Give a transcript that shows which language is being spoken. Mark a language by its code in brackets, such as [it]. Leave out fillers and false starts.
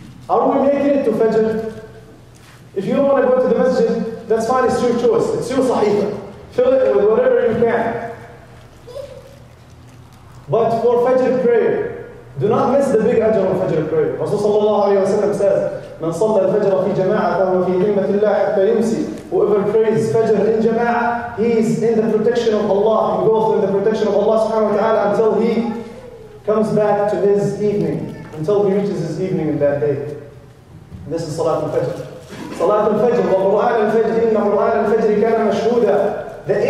[en] Are we making it to Fajr? If you don't want to go to the masjid, that's fine, it's your choice. It's your sahifa. Fill it with whatever you can. But for Fajr prayer, do not miss the big ajr of Fajr prayer. [ar] Rasul sallallahu alayhi wa sallam says, من صلى الفجر في جماعة أو في ذمة الله حتى يمسي. [en] Whoever prays Fajr in jama'ah, he is in the protection of Allah. He goes in the protection of Allah subhanahu wa ta'ala until he comes back to his evening, until he reaches his evening in that day. And this is Salat al-Fajr. [ar] Salat al-Fajr, وقرآن الفجر, إن قرآن الفجر كان مشهودا.